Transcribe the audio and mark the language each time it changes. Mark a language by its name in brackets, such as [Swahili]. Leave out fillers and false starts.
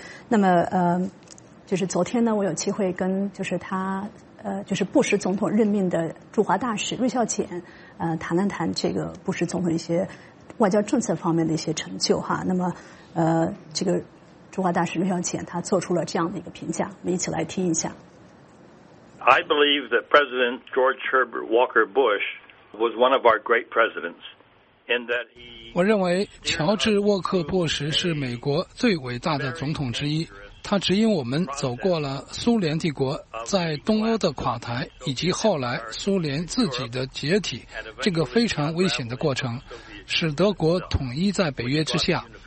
[Chinese] 那么就是昨天呢，我有机会跟就是他就是布什总统任命的驻华大使芮孝潜谈了谈这个布什总统一些外交政策方面的一些成就哈。那么这个驻华大使芮孝潜他做出了这样的一个评价，我们一起来听一下。 [English] I believe that President George Herbert Walker Bush was one of our great presidents. [Chinese] 我认为乔治·沃克·布什是美国最伟大的总统之一，他指引我们走过了苏联帝国在东欧的垮台以及后来苏联自己的解体这个非常危险的过程，使德国统一在北约之下。